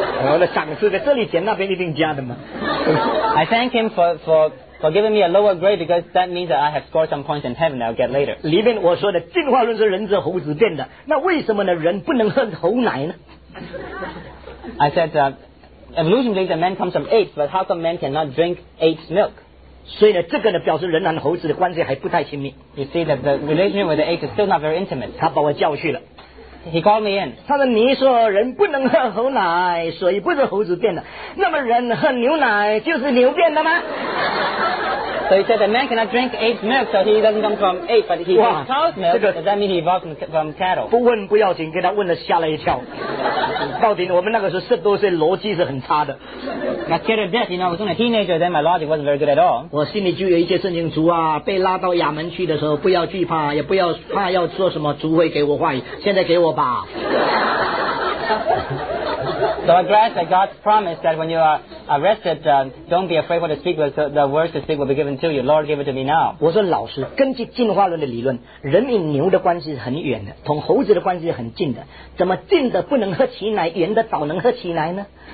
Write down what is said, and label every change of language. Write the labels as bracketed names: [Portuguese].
[Chinese] 我的赏赐在这里减，那边一定加的嘛。 [English] I thank him for giving me a lower grade because that means that I have scored some points in heaven that I'll get later. [Chinese] 里面我说的进化论是人是猴子变的，那为什么呢？人不能喝猴奶呢？ [English] I said that evolution believes that man comes from apes, but how come man cannot drink apes' milk? [Chinese] 所以呢，这个呢表示人和猴子的关系还不太亲密。 [English] You see that the relation with the apes is still not very intimate. [Chinese] 他把我叫去了。 [English] He called me in. [Chinese] 他说：“你说人不能喝猴奶，所以不是猴子变的。那么人喝牛奶就是牛变的吗？” [English] So he said that man cannot drink apes' milk, so he doesn't come from apes, but he drinks cow's milk. Does that mean he evolved from cattle? [Chinese] 不问不要紧，给他问了吓了一跳。到底我们那个时候十多岁，逻辑是很差的。 [English] I scared of death, you know, I was only a teenager, then my logic wasn't very good at all. [Chinese] 我心里就有一些圣经主啊，被拉到亚门去的时候，不要惧怕，也不要怕要说什么，主会给我话语，现在给我吧。 [English] So I grasped that God's promise that when you are arrested, don't be afraid what to speak, but the words to speak will be given to you. Lord, give it to me now. [Chinese] 我说老师，根据进化论的理论，人与牛的关系是很远的，同猴子的关系是很近的。怎么近的不能喝起奶，远的早能喝起奶呢？